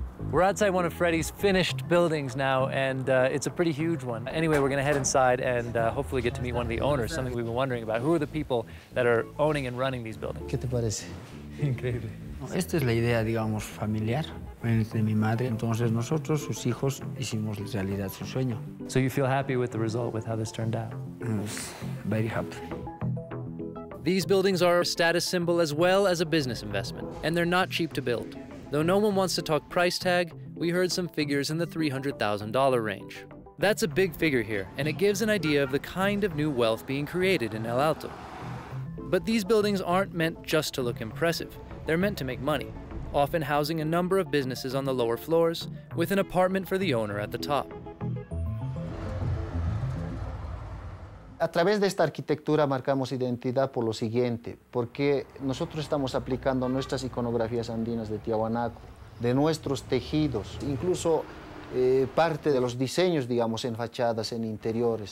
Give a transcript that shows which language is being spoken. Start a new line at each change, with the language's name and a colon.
English: We're outside one of Freddy's finished buildings now, and it's a pretty huge one. Anyway, we're gonna head inside and hopefully get to meet one of the owners, something we've been wondering about. Who are the people that are owning and running these buildings?
Spanish: ¿Qué te parece? Increíble. Esta es la idea, digamos, familiar. Es de mi madre. Entonces nosotros, sus hijos, hicimos realidad su sueño.
English: So you feel happy with the result, with how this turned out? Very happy. These buildings are a status symbol as well as a business investment, and they're not cheap to build. Though no one wants to talk price tag, we heard some figures in the $300,000 range. That's a big figure here, and it gives an idea of the kind of new wealth being created in El Alto. But these buildings aren't meant just to look impressive. They're meant to make money, often housing a number of businesses on the lower floors, with an apartment for the owner at the top.
Spanish: A través de esta arquitectura marcamos identidad por lo siguiente, porque nosotros estamos aplicando nuestras iconografías andinas de Tiwanaku, de nuestros tejidos, incluso parte de los diseños, digamos, en fachadas, en interiores.